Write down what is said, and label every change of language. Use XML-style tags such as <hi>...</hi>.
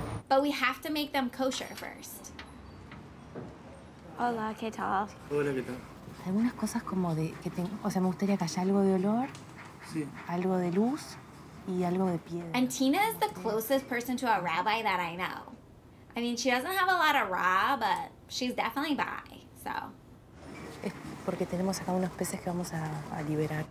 <en>But we have to make them kosher first.</en> <es>Hola, ¿qué tal? Hola, ¿qué tal? Algunas cosas como de... Que te, o sea, me gustaría que haya algo de olor. Sí. Algo de luz y algo de piedra.</es> <en>And Tina is the closest person to a rabbi that I know. I mean, she doesn't have a lot of raw, but she's definitely bi, so.</en> <es>Es porque tenemos acá unos peces que vamos a liberar.</es>